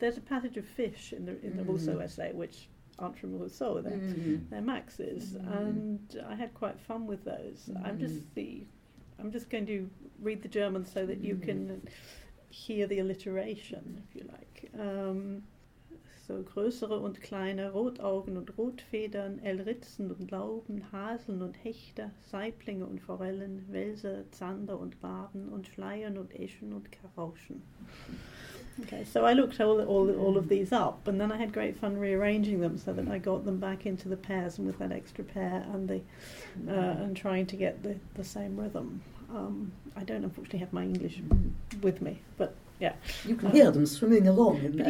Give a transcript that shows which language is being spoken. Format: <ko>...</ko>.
<en>There's a passage of fish in the Rousseau essay, which aren't from Rousseau, they're Max's, and I had quite fun with those. I'm just going to read the German so that you can hear the alliteration, if you like.</en> <de>So, größere und kleine Rotaugen und Rotfedern, Elritzen und Lauben, Haseln und Hechte, Saiblinge und Forellen, Welse, Zander und Barben und Schleiern und Eschen und Karauschen.</de> <en>Okay, so I looked all of these up, and then I had great fun rearranging them so that I got them back into the pairs and with that extra pair and and trying to get the same rhythm. I don't unfortunately have my English with me, but yeah. You can hear them swimming along in there.</en>